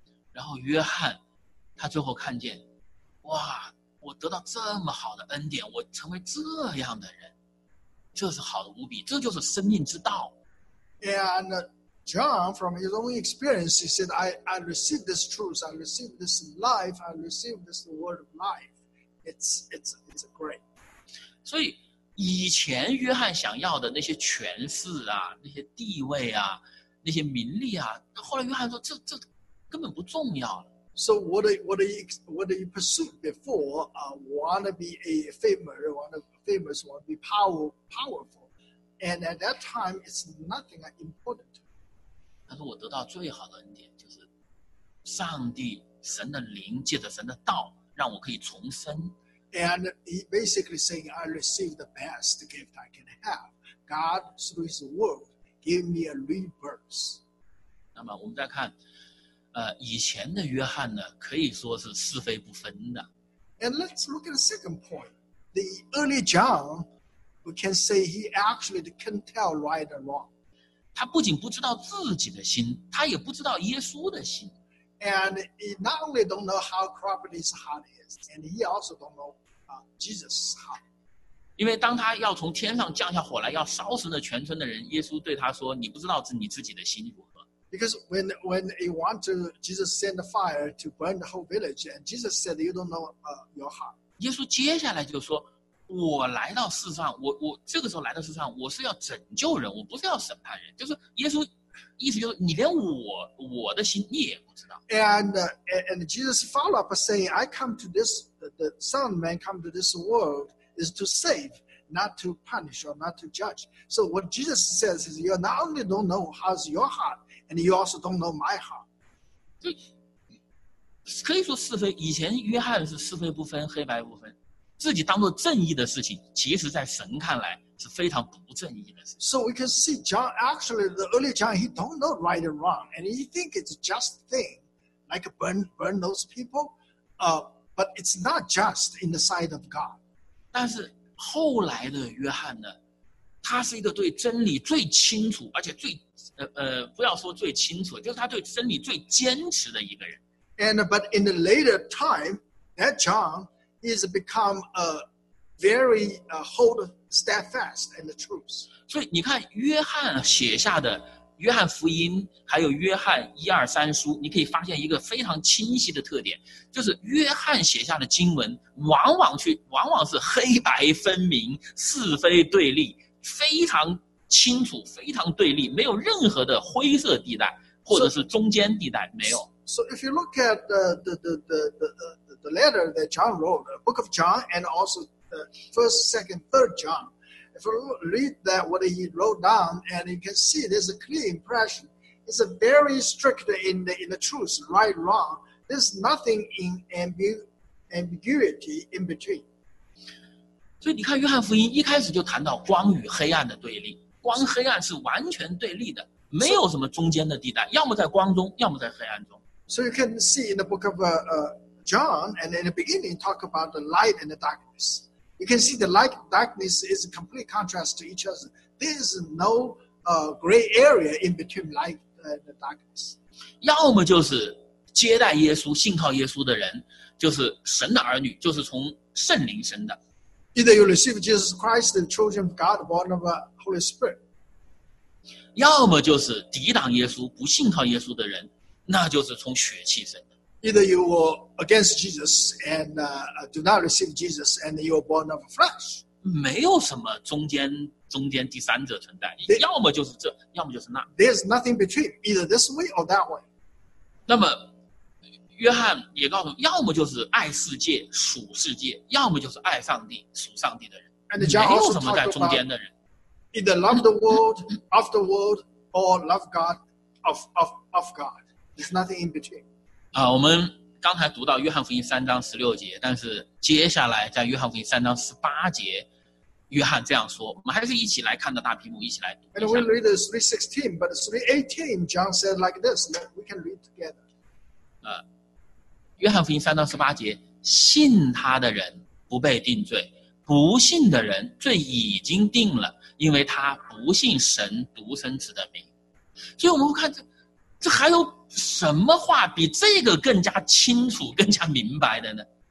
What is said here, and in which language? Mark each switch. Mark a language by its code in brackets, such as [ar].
[zh] 然后约翰，他最后看见，哇，我得到这么好的恩典，我成为这样的人，这是好的无比，这就是生命之道。 [en] And John, from his own experience, he said, I received this truth, I received this life, I received this word of life. It's great. [zh] 所以以前约翰想要的那些权势啊，那些地位啊，那些名利啊，后来约翰说这根本不重要了。 [en] So what he pursued before, want to be a famous, want to be powerful, and at that time it's nothing important. [zh] 他说我得到最好的恩典就是上帝神的灵借着神的道让我可以重生。 [en] And he basically saying, I received the best gift I can have. God, through his word, gave me a rebirth. [zh] 那么我们再看，以前的约翰呢，可以说是是非不分的。 [en] And let's look at the second point. The early John, we can say he actually couldn't tell right or wrong. [zh] 他不仅不知道自己的心，他也不知道耶稣的心。 [en] And he not only don't know how corrupt his heart is, and he also don't know Jesus' heart. [zh] 因为当他要从天上降下火来要烧死那全村的人，耶稣对他说：“你不知道你自己的心如何。” [en] Because when he wanted Jesus send the fire to burn the whole village, and Jesus said, "You don't know your heart." [zh] 耶稣接下来就说：“我来到世上，我这个时候来到世上，我是要拯救人，我不是要审判人。”就是耶稣意思就是你连我的心你也不知道。 [en] And Jesus follow up saying, I come to this, the Son of Man come to this world is to save, not to punish or not to judge. So what Jesus says is, you not only don't know how's your heart, and you also don't know my heart. [zh] 对，可以说是非。以前约翰是是非不分，黑白不分。自己当作正义的事情，其实在神看来是非常不正义的事情。 [en] So we can see John, actually the early John, he don't know right and wrong, and he think it's a just thing, like burn those people, but it's not just in the sight of God. [zh] 但是后来的约翰呢，他是一个对真理最清楚，而且最不要说最清楚，就是他对真理最坚持的一个人。 [en] But in the later time, that John,is become a very hold steadfast in the truth. [zh] 所以你看约翰写下的约翰福音还有约翰一二三书，你可以发现一个非常清晰的特点，就是约翰写下的经文往往是黑白分明，是非对立，非常清楚，非常对立，没有任何的灰色地带或者是中间地带，没有。 [en] So if you look at the letter that John wrote, the book of John, and also the first, second, third John. If you read that, what he wrote down, and you can see there's a clear impression. It's a very strict in the truth, right, wrong. There's nothing in ambiguity in between. [zh] 所以你看约翰福音一开始就谈到光与黑暗的对立，光黑暗是完全对立的，没有什么中间的地带，要么在光中，要么在黑暗中。 [en] So you can see in the book of John, and in the beginning, talk about the light and the darkness. You can see the light and darkness is a complete contrast to each other. There is no gray area in between light and the darkness. [zh] 要么就是接待耶稣、信靠耶稣的人，就是神的儿女，就是从圣灵生的。 [en] Either you receive Jesus Christ, the children of God, born of the Holy Spirit. [zh] 要么就是抵挡耶稣、不信靠耶稣的人，那就是从血气生。 [en] Either you were against Jesus and do not receive Jesus, and you were born of flesh. [zh] 没有什么中间第三者存在，要么就是这，要么就是那。 [en] There's nothing between either this way or that way. [zh] 那么，约翰也告诉，要么就是爱世界属世界，要么就是爱上帝属上帝的人。 [en] And John also talked about, [zh] 没有什么在中间的人。 [en] Either love the world of the world or love God of God. There's nothing in between. [zh] 我们刚才读到约翰福音三章十六节，但是接下来在约翰福音三章十八节，约翰这样说，我们还是一起来看到大屏幕，一起来读一下。 [en] And we read 3:16, but 3:18, John said like this. We can read together. [zh] 约翰福音三章十八节，信他的人不被定罪，不信的人罪已经定了，因为他不信神独生子的名。所以我们会看这还有什么话比这个更加清楚、更加明白的呢？